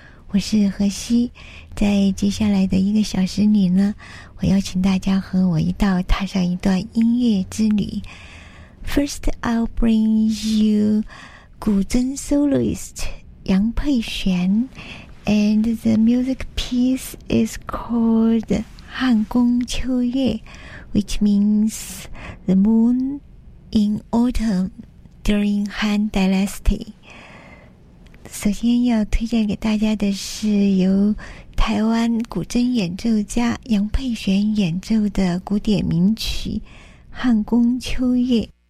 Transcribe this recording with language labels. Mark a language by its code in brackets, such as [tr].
[zh] 我是何西，在接下来的一个小时里呢，我邀请大家和我一道踏上一段音乐之旅。 [en] First, I'll bring you 古筝 soloist 杨佩璇 ，and the music piece is called 汉宫秋月 ，which means the moon in autumn during Han Dynasty。 [zh] 首先要推荐给大家的是由台湾古筝演奏家杨佩璇演奏的古典名曲《汉宫秋月》。